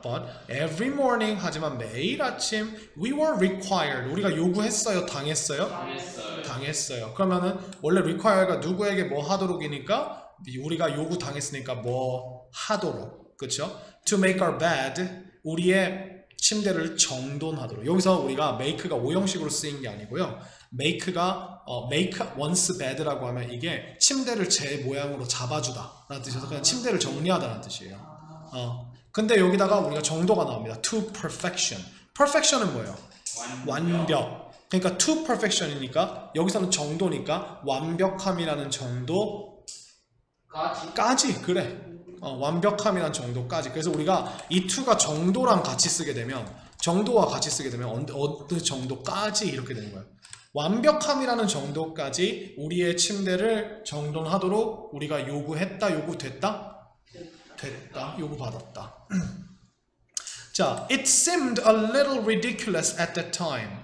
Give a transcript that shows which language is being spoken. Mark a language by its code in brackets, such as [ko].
[en] But every morning, [ko] 하지만 매일 아침 [en] we were required. [ko] 우리가 요구했어요? 당했어요? 당했어요. 그러면은 원래 require가 누구에게 뭐 하도록이니까 우리가 요구 당했으니까 뭐 하도록. [en] 그렇죠? To make our bed, [ko] 우리의 침대를 정돈하도록. 여기서 우리가 make가 오형식으로 쓰인 게 아니고요. make가 make once bed라고 하면 이게 침대를 제 모양으로 잡아주다 라는 뜻이어서 그냥 침대를 정리하다라는 뜻이에요. 근데 여기다가 우리가 정도가 나옵니다. [en] to perfection. [ko] perfection은 뭐예요? 완벽. 그러니까 to perfection이니까 여기서는 정도니까 완벽함이라는 정도 까지 그래. 완벽함이란 정도까지. 그래서 우리가 이 to가 정도랑 같이 쓰게 되면, 정도와 같이 쓰게 되면 어느 정도까지 이렇게 되는 거예요. 완벽함이라는 정도까지 우리의 침대를 정돈하도록 우리가 요구했다, 요구됐다, 됐다, 요구받았다. [en] 자, it seemed a little ridiculous at that time.